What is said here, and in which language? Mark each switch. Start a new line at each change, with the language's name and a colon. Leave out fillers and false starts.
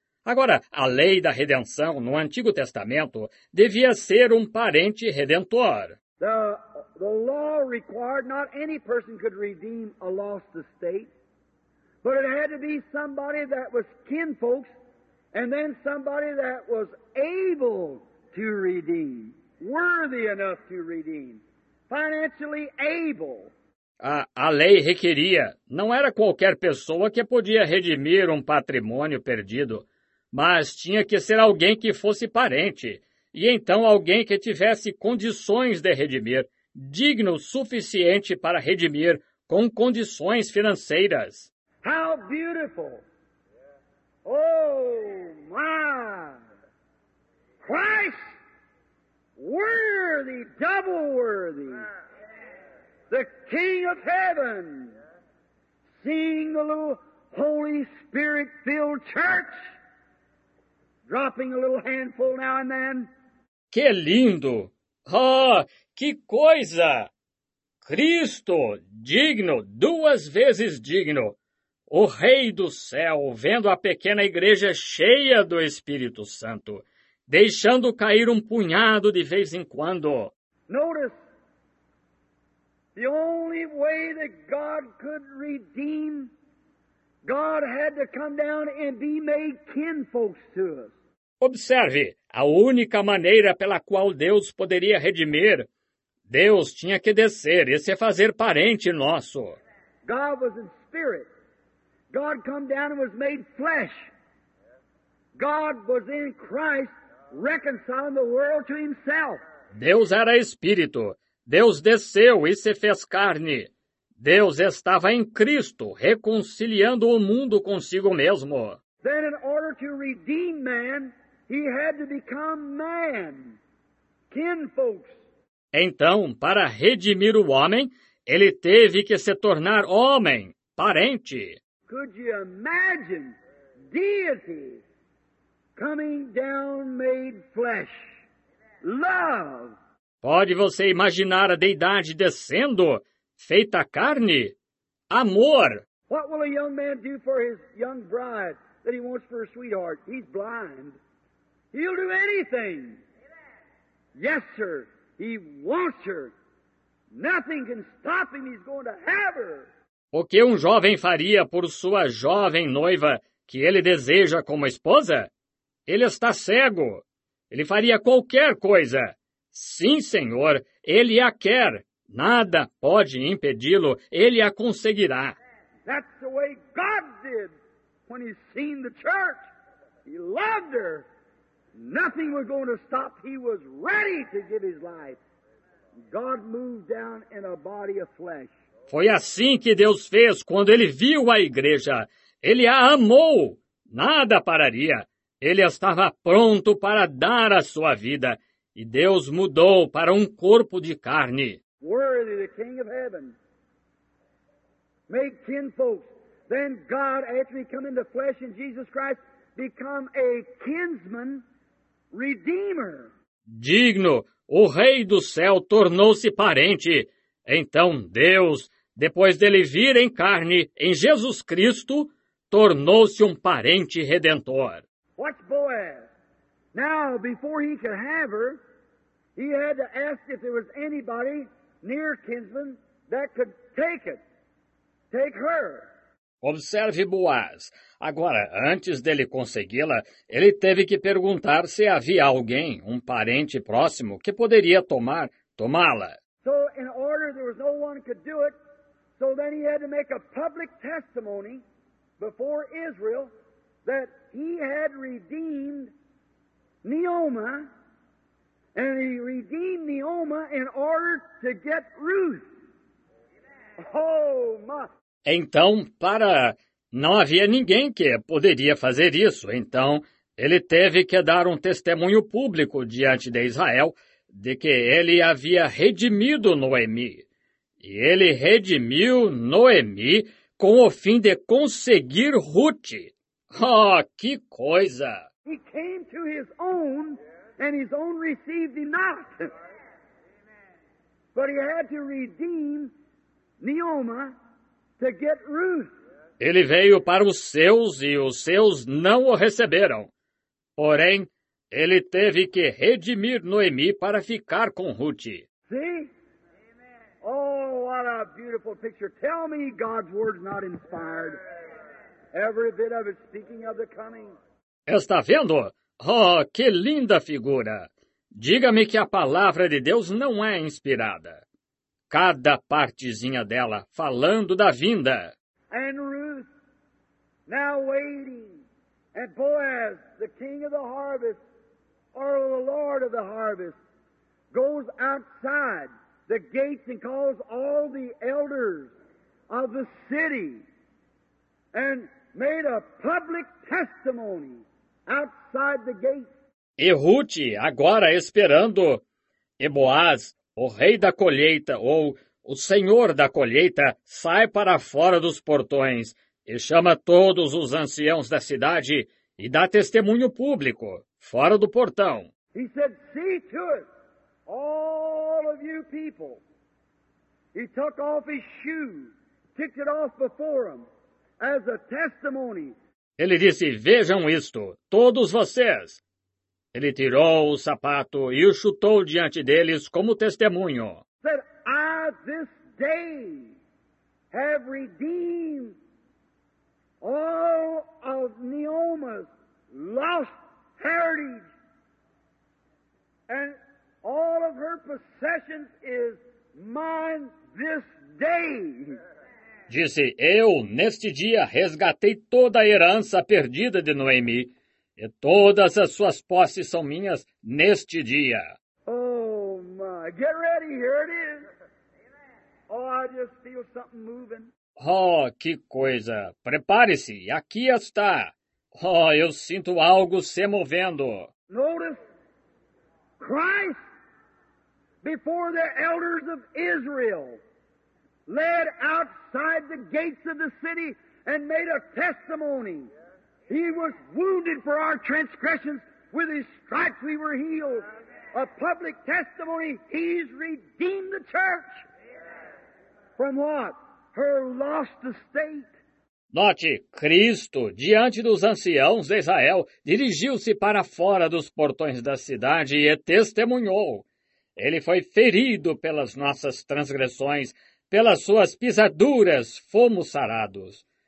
Portuguese: Agora, a lei da redenção no Antigo Testamento devia ser um parente redentor.
English: The law required not any person could redeem a lost estate, but it had to be somebody that was kinfolk and then somebody that was able to redeem, worthy enough to redeem, financially able.
Portuguese: A lei requeria, não era qualquer pessoa que podia redimir um patrimônio perdido. Mas tinha que ser alguém que fosse parente, e então alguém que tivesse condições de redimir, digno o suficiente para redimir, com condições financeiras.
English: How beautiful! Oh, my! Christ! Worthy, double worthy! The King of Heaven! Seeing the little Holy Spirit-filled church! Dropping a little handful now and then.
Portuguese: Que lindo! Oh, que coisa! Cristo, digno, duas vezes digno. O Rei do Céu, vendo a pequena igreja cheia do Espírito Santo, deixando cair um punhado de vez em quando.
English: Notice, the only way that God could redeem, God had to come down and be made kinfolks to us.
Portuguese: Observe, a única maneira pela qual Deus poderia redimir, Deus tinha que descer e se fazer parente nosso.
English: God was in spirit. God come down and was made flesh. God was in Christ reconciling the world to himself.
Portuguese: Deus era espírito. Deus desceu e se fez carne. Deus estava em Cristo reconciliando o mundo consigo mesmo.
English: Then in order to redeem man, he had to become man, kinfolks.
Portuguese: Então, para redimir o homem, ele teve que se tornar homem, parente.
English: Could you imagine deity coming down made flesh? Love!
Portuguese: Pode você imaginar a deidade descendo, feita carne? Amor!
English: What will a young man do for his young bride that he wants for a sweetheart? He's blind. He'll do anything. Yes, sir. He wants her. Nothing can stop him. He's going to have her.
Portuguese: O que um jovem faria por sua jovem noiva que ele deseja como esposa? Ele está cego. Ele faria qualquer coisa. Sim, senhor, ele a quer. Nada pode impedi-lo. Ele a conseguirá.
English: That's the way God did when he seen the church. He loved her. Nothing was going to stop. He was ready to give his life. God moved down in a body of flesh.
Portuguese: Foi assim que Deus fez quando ele viu a igreja. Ele a amou. Nada pararia. Ele estava pronto para dar a sua vida. E Deus mudou para um corpo de carne.
English: Worthy the King of Heaven. Make kinfolk. Then God, after he come into flesh in Jesus Christ, become a kinsman redeemer.
Portuguese: Digno, o Rei do Céu tornou-se parente. Então Deus, depois dele vir em carne em Jesus Cristo, tornou-se um parente redentor.
English: What's Boaz? Now, before he could have her, he had to ask if there was anybody near kinsman that could take it. Take her.
Portuguese: Observe Boaz. Agora, antes dele consegui-la, ele teve que perguntar se havia alguém, um parente próximo, que poderia tomá-la.
English: So, in order, there was no one could do it. So then he had to make a public testimony before Israel that he had redeemed Naoma, and he redeemed Naoma in order to get Ruth. Oh, my!
Portuguese: Então, para... Não havia ninguém que poderia fazer isso. Então, ele teve que dar um testemunho público diante de Israel de que ele havia redimido Noemi. E ele redimiu Noemi com o fim de conseguir Ruth. Oh, que coisa!
English: He came to his own, and his own received him not. But he had to redeem Naoma to get Ruth.
Portuguese: Ele veio para os seus e os seus não o receberam. Porém, ele teve que redimir Noemi para ficar com Ruth.
English: See? Oh, what a beautiful picture. Tell me God's word's not inspired. Every bit of it speaking of the coming.
Portuguese: Está vendo? Oh, que linda figura. Diga-me que a palavra de Deus não é inspirada. Cada partezinha dela falando da vinda.
English: And Ruth, now waiting. And Boaz, the king of the harvest, or the lord of the harvest, goes outside the gates and calls all the elders of the city and made a public testimony outside the gates.
Portuguese: E Ruth, agora esperando, e Boaz, o rei da colheita, ou o senhor da colheita, sai para fora dos portões e chama todos os anciãos da cidade e dá testemunho público, fora do portão.
English: He said, see to it, all of you people. He took off his shoe, kicked it off before him, as a testimony.
Portuguese: Ele disse, vejam isto, todos vocês. Ele tirou o sapato e o chutou diante deles como testemunho.
English: Said, I this day have redeemed all of Naoma's lost heritage, and all of her possessions is mine this day.
Portuguese: Disse, eu neste dia resgatei toda a herança perdida de Noemi. E todas as suas posses são minhas neste dia.
English: Oh, my. Get ready. Here it is. Oh, I just feel something moving.
Portuguese: Oh, que coisa. Prepare-se. Aqui está. Oh, eu sinto algo se movendo.
English: Notice Christ before the elders of Israel led outside the gates of the city and made a testimony. He was wounded for our transgressions. With his stripes we were healed. a public testimony, he's redeemed the church. From what? Her lost estate.
Portuguese: Note, Cristo, diante dos anciãos de Israel, dirigiu-se para fora dos portões da cidade e testemunhou. Ele foi ferido pelas nossas transgressões, pelas suas pisaduras fomos sarados.